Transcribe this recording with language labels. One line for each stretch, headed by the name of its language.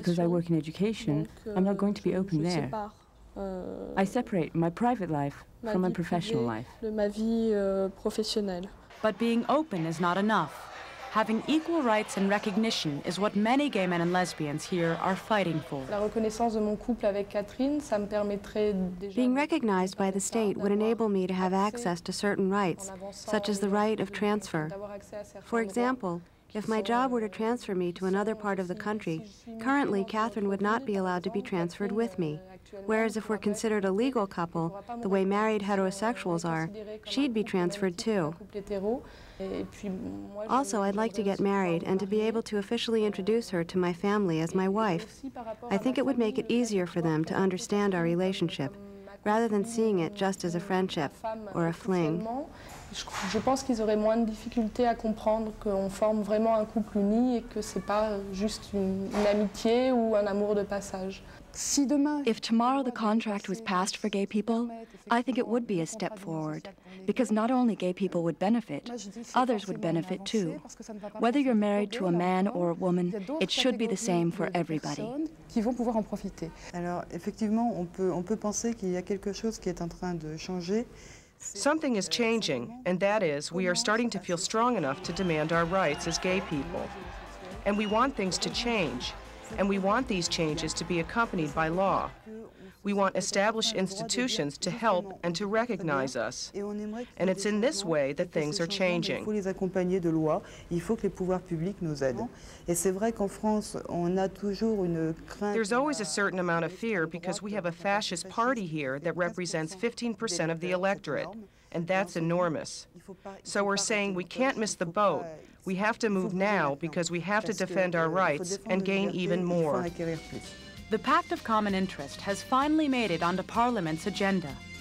English: Because I work in education, I'm not going to be open there. I separate my private life from my professional life.
French: De ma vie professionnelle.
English: But being open is not enough. Having equal rights and recognition is what many gay men and lesbians here are fighting for.
French: La reconnaissance de mon couple avec Catherine, ça me permettrait déjà.
English: Being recognized by the state would enable me to have access to certain rights, such as the right of transfer. For example, if my job were to transfer me to another part of the country, currently Catherine would not be allowed to be transferred with me. Whereas if we're considered a legal couple, the way married heterosexuals are, she'd be transferred too. Also, I'd like to get married and to be able to officially introduce her to my family as my wife. I think it would make it easier for them to understand our relationship, rather than seeing it just as a friendship or a fling.
French: Je pense qu'ils auraient moins de difficultés à comprendre qu'on forme vraiment un couple uni et que c'est pas juste une amitié ou un amour de passage.
English: If tomorrow the contract was passed for gay people, I think it would be a step forward, because not only gay people would benefit, others would benefit too. Whether you're married to a man or a woman, it should be the same for everybody.
French: Qui vont pouvoir en profiter. Alors effectivement, on peut penser qu'il y a quelque chose qui est en train de changer.
English: Something is changing, and that is we are starting to feel strong enough to demand our rights as gay people. And we want things to change, and we want these changes to be accompanied by law. We want established institutions to help and to recognize us. And it's in this way that things are changing.
French: Il faut les accompagner de loi, il faut que les pouvoirs publics nous aident. Et c'est vrai qu'en France, on a toujours une crainte.
English: There's always a certain amount of fear because we have a fascist party here that represents 15% of the electorate, and that's enormous. So we're saying we can't miss the boat. We have to move now because we have to defend our rights and gain even more. The Pact of Common Interest has finally made it onto Parliament's agenda.